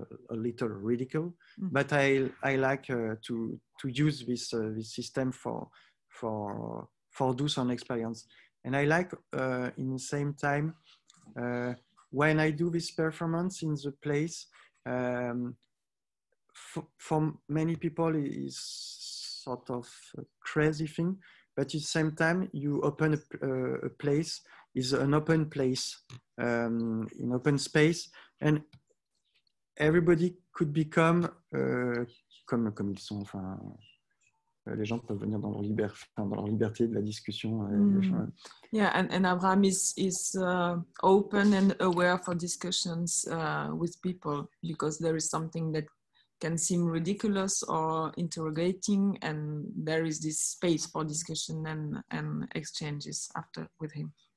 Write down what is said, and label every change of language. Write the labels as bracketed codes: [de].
[en] A little ridicule, but I like to use this system for do some experience, and I like in the same time when I do this performance in the place for many people it is sort of a crazy thing, but at the same time you open a place is an open place in open space and. Everybody could become [fr] comme ils sont. Enfin, les gens peuvent venir dans leur liberté, dans leur liberté de la discussion. [en] Yeah, and Abraham is open and aware for discussions with people because there is something that can seem ridiculous or interrogating, and there is this space for discussion and exchanges after with him.